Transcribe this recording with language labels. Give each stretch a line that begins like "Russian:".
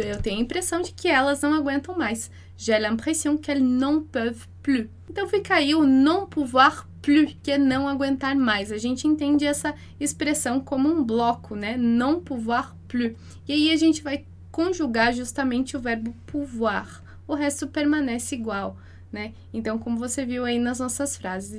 Portuguese: Eu tenho a impressão de que elas não aguentam mais.
French: J'ai l'impression qu'elles n'en peuvent plus.
Portuguese: Então fica aí o
French: non pouvoir plus,
Portuguese: que é não aguentar mais. A gente entende essa expressão como um bloco, né?
French: Non pouvoir plus.
Portuguese: E aí a gente vai conjugar justamente o verbo pouvoir. O resto permanece igual, né? Então, como você viu aí nas nossas frases.